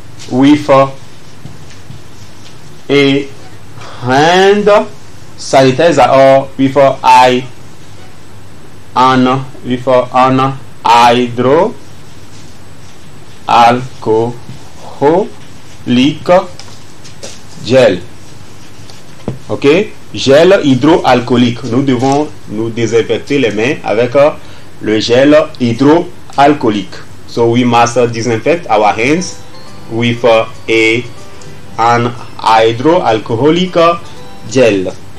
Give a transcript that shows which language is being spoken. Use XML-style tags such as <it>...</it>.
<en>With a hand sanitizer or with an hydroalcoholic gel.</en> <fr>OK? Gel hydroalcoolique. Nous devons nous désinfecter les mains avec le gel hydroalcoolique.</fr> <en>So we must disinfect our hands with an hydroalcoholic gel.</en>